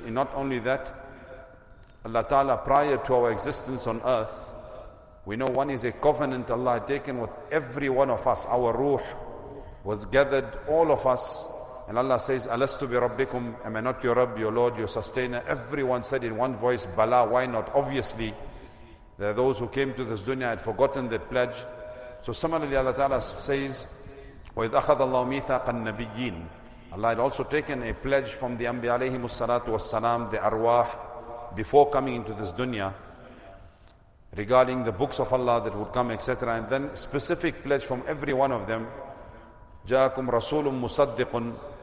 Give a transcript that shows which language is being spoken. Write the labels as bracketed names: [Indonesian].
[English] And not only that, Allah Ta'ala, prior to our existence on earth, we know one is a covenant Allah had taken with every one of us. Our ruh was gathered, all of us. And Allah says, [Arabic] Alastu bi Rabbikum, [English] am I not your Rabb, your Lord, your sustainer? Everyone said in one voice, Bala, why not? Obviously, there are those who came to this dunya had forgotten that pledge. So similarly, Allah Ta'ala says, [Arabic] وَإِذْ أَخَذَ اللَّهُ مِيثَاقَ النَّبِيِّينَ. [English] Allah had also taken a pledge from the Anbiya alayhimu salatu wassalam, the arwah, before coming into this dunya, regarding the books of Allah that would come, etc. And then specific pledge from every one of them. [Arabic] جَاءَكُمْ رَسُولٌ مُصَدِّقٌ.